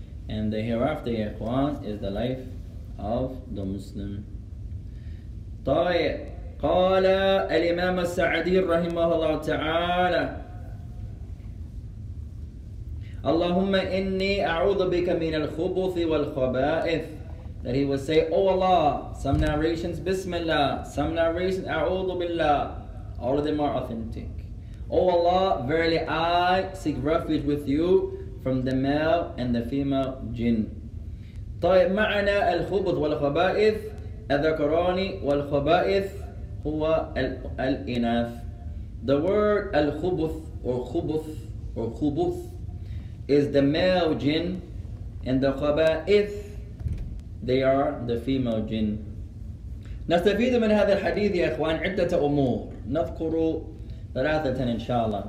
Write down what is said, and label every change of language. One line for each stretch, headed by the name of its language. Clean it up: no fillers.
English: And the hereafter, Ikhwan, is the life of the Muslim.
Arabic: طيب. قال الإمام السعدي رحمه الله تعالى اللهم إني أعوذ بك من الخبث والخبائث.
English: That he would say, oh Allah, some narrations Bismillah, some narrations
Arabic: أعوذ بالله.
English: All of them are authentic. Oh Allah, verily I seek refuge with you from the male and the female jinn.
Arabic: طيب معنى الخبث والخبائث أذكراني والخبائث هو الإناث.
English: The word الخبث or خبث or خبث is the male jinn, and the خبائث they are the female jinn.
Arabic: نستفيد من هذا الحديث يا إخوان عدة أمور نذكر ثلاثة إن شاء الله.